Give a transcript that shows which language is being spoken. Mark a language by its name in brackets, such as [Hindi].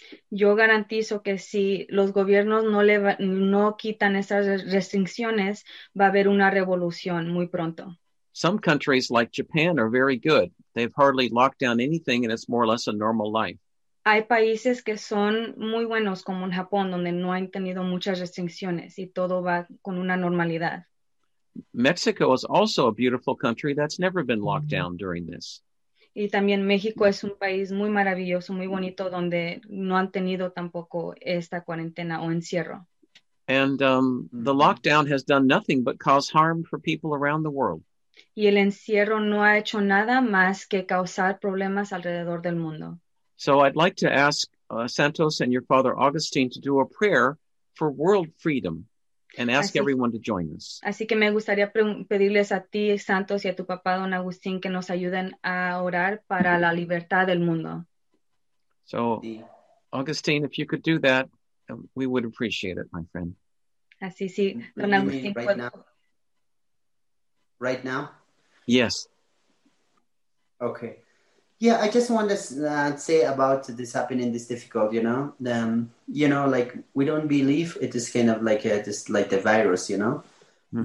[Spanish] Yo garantizo que si los gobiernos no le va, no quitan esas restricciones, va a haber una revolución muy pronto. [English] Some countries like Japan are very good. They've hardly locked down anything and it's more or less a normal life. [Spanish] Hay países que son muy buenos como en Japón donde no han tenido muchas restricciones y todo va con una normalidad. [English] Mexico is also a beautiful country that's never been locked down during this. [Spanish] Y también México es un país muy maravilloso, muy bonito, donde no han tenido tampoco esta cuarentena o encierro. [English] And the lockdown has done nothing but cause harm for people around the world. [Spanish] Y el encierro no ha hecho nada más que causar problemas alrededor del mundo. [English] So I'd like to ask Santos and your father Augustine to do a prayer for world freedom and ask everyone to join us. [Spanish] Así que me gustaría pedirles a ti, Santos, y a tu papá, don Agustín, que nos ayuden a orar para la libertad del mundo. [English] So, Augustine, if you could do that, we would appreciate it, my friend. [Spanish] Así sí, don Agustín. [English] Right now? Yes. Okay. Yeah, I just want to say about this happening, this difficult, you know, you know, like we don't believe it is kind of like a, just like the virus, you know, mm-hmm.